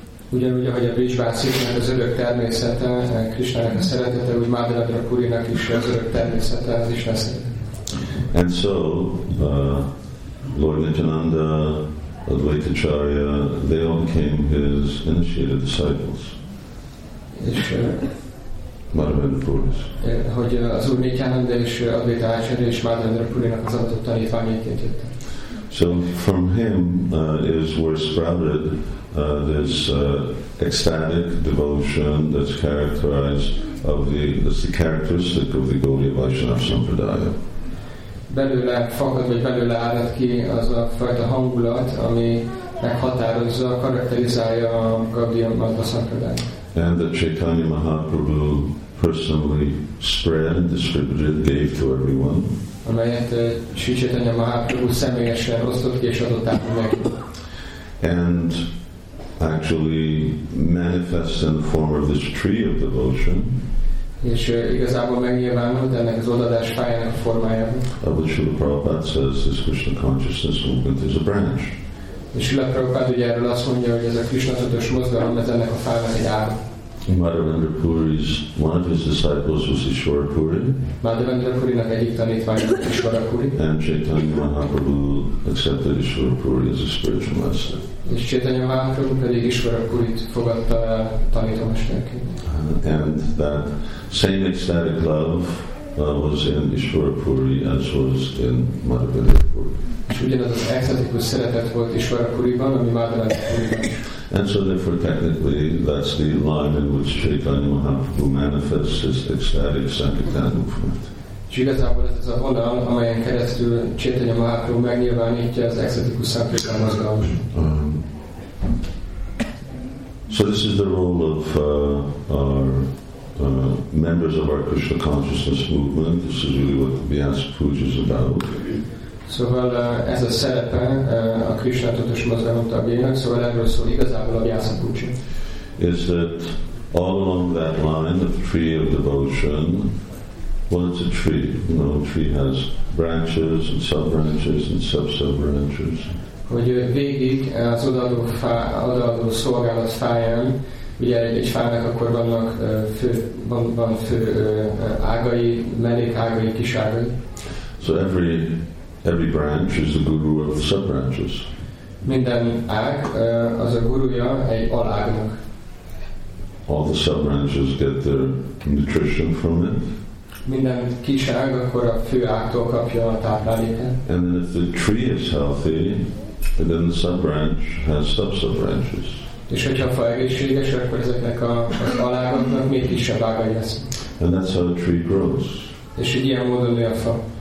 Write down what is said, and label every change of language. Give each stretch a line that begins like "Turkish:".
Hungarian: Ugyanúgy, ahogy a Vrishvasisnak az örök természete, Krisnának a szeretete, úgy Madhavendra Purinak is az örök természete, az is lesz.
English: And so, Lord Nityananda, Advaita Charya, they all became his initiated disciples.
Hungarian: És Madhavendra Puris. Hogy az Úr Nityananda és Advaita Charya és Madhavendra Purinak az adott tanítványaként jött.
English: So from him is where sprouted this ecstatic devotion that's characterized of the that's the characteristic of the Gaudiya Vaishnava Sampradaya.
Hungarian: Belőle fakad vagy belőle állat ki az a fajta hangulat, ami meghatározza, karakterizálja a Gaudiya Vaishnava Sampradaya.
English: And that Chaitanya Mahaprabhu personally spread and distributed, gave to everyone.
Hungarian: Amelyet Sri Chaitanya Mahaprabhu személyesen osztott ki és adott át meg.
English: And actually manifest in the form of this tree of devotion.
Hungarian: És igazából megnyilvánult ennek az odaadás fájának formájában.
English: Which Srila Prabhupada says this Krishna consciousness movement is a branch.
Hungarian: És Srila Prabhupada ugye erről azt mondja, hogy ez a Krishna tudatos mozgalom, mert ennek a fájának egy ára.
English: Madhavendra Puri's one of his disciples was Ishwara Puri.
Hungarian: Madhavendra Puri-nak egyik tanítványa Ishwara Puri.
English: And Chaitanya Mahaprabhu accepted Ishwara Puri as a spiritual master.
Hungarian: És Chaitanya Mahaprabhu pedig Ishwara Purit fogadta tanítomásnak.
English: And that same ecstatic love was in Ishwara Puri as was in Madhavendra Puri.
Hungarian: És ugyanaz az ecstatikus szeretet volt Ishwara Puri-ban, ami Madhavendra Puri-ban.
English: And so therefore technically that's the line in which Chaitanya Mahaprabhu manifests his ecstatic Sankirtan movement.
Hungarian: És igazából ez a vonal, amelyen keresztül Chaitanya Mahaprabhu megnyilvánítja az ecstatikus Sankirtan mozgalmat.
English: So this is the role of our members of our Krishna consciousness movement. This is really what the Vyasa Puja is about.
Hungarian: Szóval ez a szerepe a Krishna tudatos mozgalom tagjainak, szóval erről szól igazából a Vyasa Puja.
English: Is that all along that line of tree of devotion, well, it's a tree. You know, a tree has branches and sub-branches and sub-sub-branches.
Hungarian: Hogy végig az odaadó szolgálat fáján, ugye egy fának akkor vannak fő ágai, mellékágai, kiságai.
English: So every branch is a guru of the sub-branches.
Hungarian: Minden ág az a gurúja egy alágnak.
English: All the sub-branches get their nutrition from it.
Hungarian: Minden kiság akkor a fő ágtól kapja a tápláléket.
English: And then if the tree is healthy, and then the sub-branch has sub-sub-branches.
Hungarian: És hogyha a fa egészséges, akkor ezeknek az alágoknak még kisebb ága lesz.
English: And that's how a tree grows.
Hungarian: És így ilyen módon nő a fa.